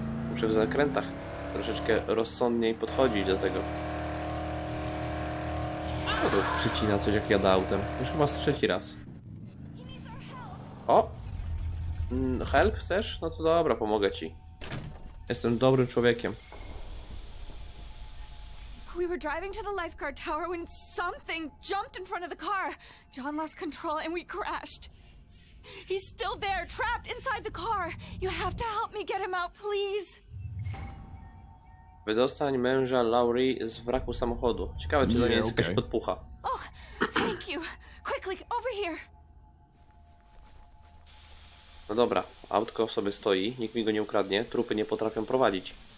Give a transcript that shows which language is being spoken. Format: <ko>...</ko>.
<pl>Muszę w zakrętach troszeczkę rozsądniej podchodzić do tego. Co to przycina coś jak jadę autem? Już chyba z trzeci raz. O! Help chcesz? No to dobra, pomogę ci. Jestem dobrym człowiekiem.</pl> <en>We were driving to the lifeguard tower when something jumped in front of the car. John lost control and we crashed. He's still there, trapped inside the car. You have to help me get him out, please.</en> <pl>Wydostań męża Laurie z wraku samochodu. Ciekawe, czy to nie jest jakaś podpucha.</pl> <en>Oh, thank you. Quickly, over here.</en> <pl>No dobra, autko sobie stoi. Nikt mi go nie ukradnie. Trupy nie potrafią prowadzić.</pl>